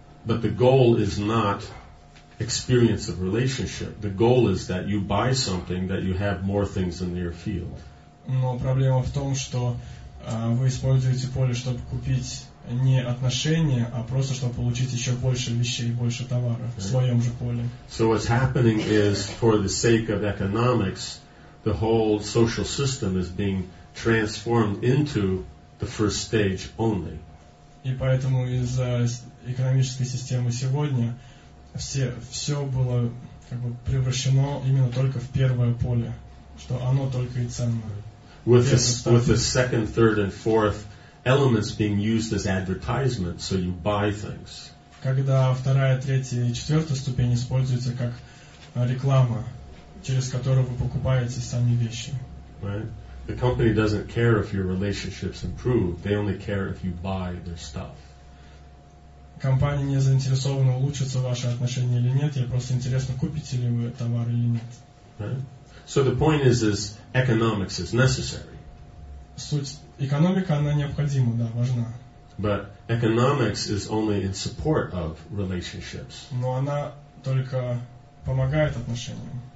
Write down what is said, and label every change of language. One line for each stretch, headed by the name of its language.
English: But the goal is not experience of relationship. The goal is that you buy something that you have more things in your field.
Russian: Но проблема в том, что вы используете поле, чтобы купить не отношения, а просто чтобы получить еще больше вещей, больше товаров в своем же поле.
English: So what's happening is, for the sake of economics, the whole social system is being transformed into the first stage only.
Russian: И поэтому из-за экономической системы сегодня все было как бы превращено именно только в первое поле, что оно только и ценное.
English: With the second, third, and fourth elements being used as advertisements, so you buy things.
Russian: Когда вторая, третья и четвертая ступень используются как реклама, через которую вы покупаете сами вещи.
English: Right? The company doesn't care if your relationships improve. They only care if you buy their stuff.
Russian: Компания не заинтересована, улучшатся ваши отношения или нет. Я просто интересно, купите ли вы товар или нет.
English: Right? So the point is economics is necessary.
Russian: Суть экономика, она необходима, да, важна.
English: But economics is only in support of relationships.
Russian: Но она только помогает отношениям.